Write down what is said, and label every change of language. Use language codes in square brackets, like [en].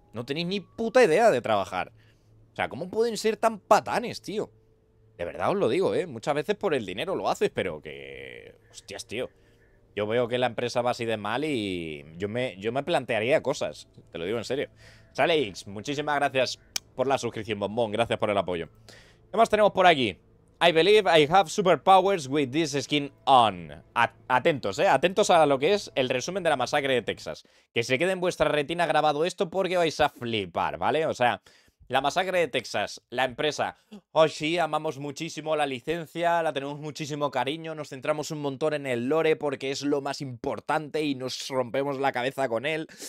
[es] No tenéis ni puta idea de trabajar. O sea, ¿cómo pueden ser tan patanes, tío? De verdad os lo digo, ¿eh? Muchas veces por el dinero lo haces, pero que. Hostias, tío. Yo veo que la empresa va así de mal y. Yo me plantearía cosas. Te lo digo en serio. Sale X, muchísimas gracias por la suscripción, bombón. Gracias por el apoyo. ¿Qué más tenemos por aquí? [en] I believe I have superpowers with this skin on. [es] Atentos, atentos a lo que es el resumen de la masacre de Texas. Que se quede en vuestra retina grabado esto porque vais a flipar, ¿vale? O sea, la masacre de Texas, la empresa. Oh, sí, amamos muchísimo la licencia, la tenemos muchísimo cariño, nos centramos un montón en el lore porque es lo más importante y nos rompemos la cabeza con él.